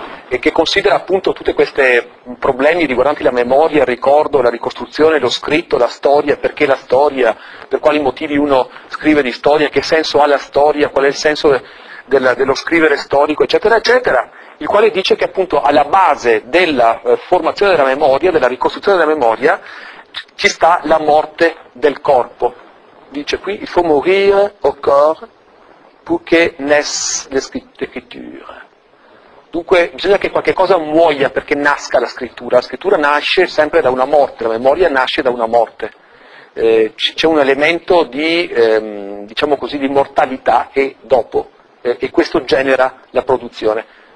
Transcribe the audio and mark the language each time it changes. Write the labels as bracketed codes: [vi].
[it] e che considera appunto tutti questi problemi riguardanti la memoria, il ricordo, la ricostruzione, lo scritto, la storia, perché la storia, per quali motivi uno scrive di storia, che senso ha la storia, qual è il senso dello scrivere storico, eccetera, eccetera, il quale dice che appunto alla base della formazione della memoria, della ricostruzione della memoria, ci sta la morte del corpo. Dice qui, [fr] il faut mourir au corps pour que naisse l'écriture. [it] Dunque bisogna che qualche cosa muoia perché nasca la scrittura. La scrittura nasce sempre da una morte, la memoria nasce da una morte. C'è un elemento di, diciamo così, di mortalità e dopo, e questo genera la produzione.